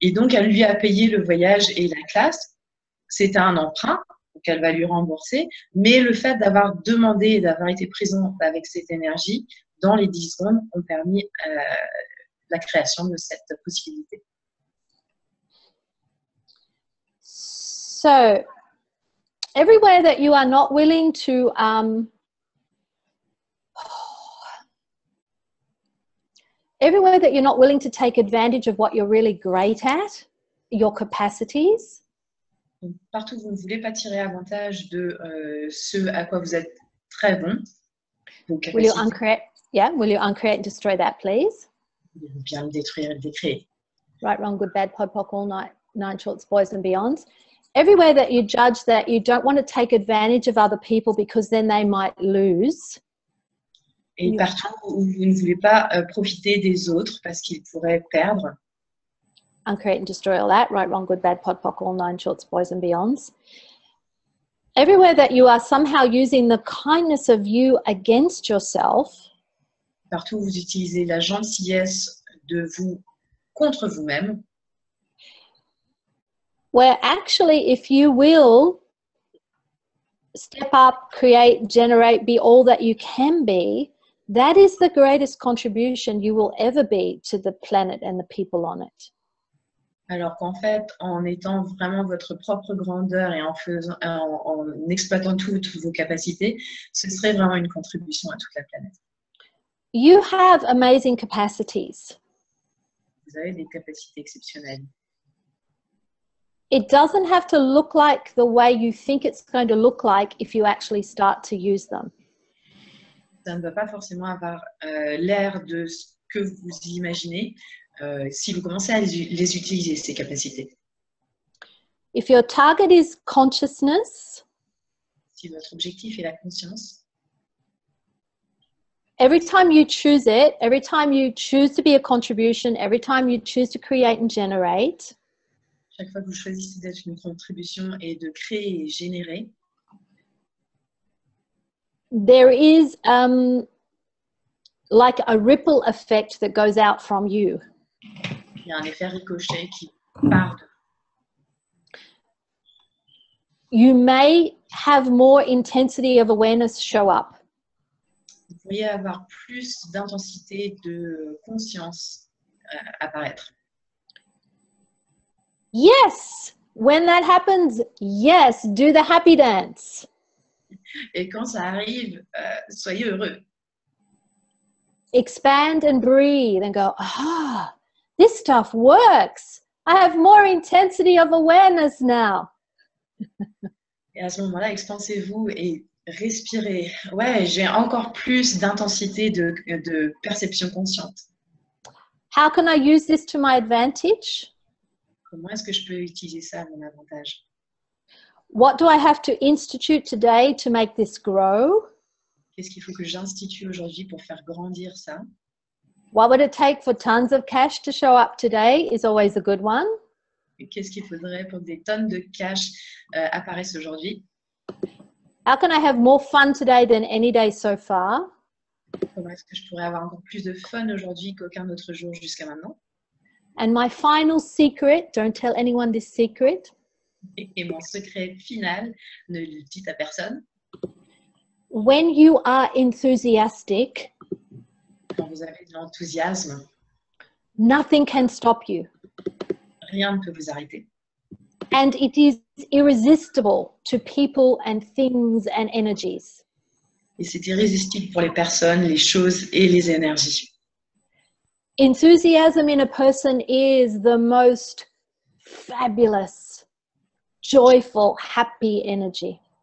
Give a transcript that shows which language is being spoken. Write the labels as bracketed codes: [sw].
[fr] Et donc, elle lui a payé le voyage et la classe. C'était un emprunt qu'elle va lui rembourser. Mais le fait d'avoir demandé et d'avoir été présente avec cette énergie dans les 10 secondes ont permis la création de cette possibilité. [en] So, everywhere that you are not willing to... everywhere that you're not willing to take advantage of what you're really great at, your capacities. [fr] Partout où vous ne voulez pas tirer avantage de ce à quoi vous êtes très bon. [en] Will you uncreate? Yeah. Will you uncreate and destroy that, please? [fr] Bien le détruire et le décréer. [en] Right, wrong, good, bad, podpoc, all night, nine shorts, boys and beyonds. Everywhere that you judge that you don't want to take advantage of other people because then they might lose. [fr] Et partout où vous ne voulez pas profiter des autres parce qu'ils pourraient perdre. [en] Uncreate and destroy all that. Right, wrong, good, bad, podpoc, all nine shorts, boys and beyonds. Everywhere that you are somehow using the kindness of you against yourself. [fr] Partout où vous utilisez la gentillesse de vous contre vous-même. [en] Where actually, if you will step up, create, generate, be all that you can be, that is the greatest contribution you will ever be to the planet and the people on it. [fr] Alors qu'en fait, en étant vraiment votre propre grandeur et en exploitant toutes vos capacités, ce serait vraiment une contribution à toute la planète. [en] You have amazing capacities. [fr] Vous avez des capacités exceptionnelles. [en] It doesn't have to look like the way you think it's going to look like if you actually start to use them. [fr] Ça ne va pas forcément avoir l'air de ce que vous imaginez si vous commencez à les utiliser, ces capacités. [en] If your target is consciousness, [fr] si votre objectif est la conscience, [en] every time you choose it, every time you choose to be a contribution, every time you choose to create and generate, [fr] chaque fois que vous choisissez d'être une contribution et de créer et générer, [en] there is like a ripple effect that goes out from you. [fr] Il y a un effet ricochet qui part de... [en] You may have more intensity of awareness show up. [fr] Vous pourriez avoir plus d'intensité de conscience apparaître. [en] Yes, when that happens, yes, do the happy dance. [fr] Et quand ça arrive, soyez heureux. [en] Expand and breathe and go, this stuff works. I have more intensity of awareness now. [fr] Et à ce moment-là, expansez-vous et respirez. Ouais, j'ai encore plus d'intensité de perception consciente. [en] How can I use this to my advantage? [fr] Comment est-ce que je peux utiliser ça à mon avantage? [en] What do I have to institute today to make this grow? [fr] Qu'est-ce qu'il faut que j'institue aujourd'hui pour faire grandir ça? [en] What would it take for tons of cash to show up today is always a good one. [fr] Et qu'est-ce qu'il faudrait pour que des tonnes de cash apparaissent aujourd'hui? [en] How can I have more fun today than any day so far? [fr] Comment est-ce que je pourrais avoir encore plus de fun aujourd'hui qu'aucun autre jour jusqu'à maintenant? [en] And my final secret, don't tell anyone this secret. [fr] Et mon secret final, ne le dites à personne. [en] When you are enthusiastic, [fr] quand vous avez de l'enthousiasme, [en] nothing can stop you. [fr] Rien ne peut vous arrêter. [en] And it is irresistible to people and things and energies. [fr] Et c'est irrésistible pour les personnes, les choses et les énergies. [en] Enthusiasm in a person is the most fabulous, joyful, happy energy.